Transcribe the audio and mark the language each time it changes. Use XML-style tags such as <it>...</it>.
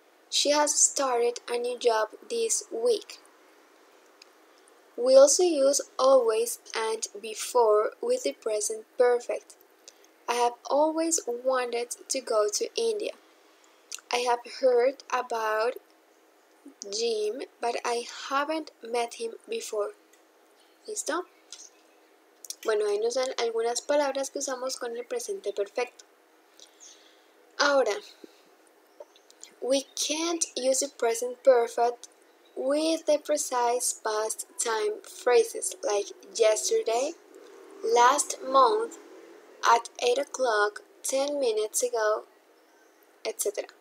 <en>She has started a new job this week. We also use always and before with the present perfect. I have always wanted to go to India. I have heard about Jim, but I haven't met him before.</en> <es>¿Listo? Bueno, ahí nos dan algunas palabras que usamos con el presente perfecto.</es> <en>Ahora, we can't use the present perfect with the precise past time phrases like yesterday, last month, at 8 o'clock, 10 minutes ago, etc.</en>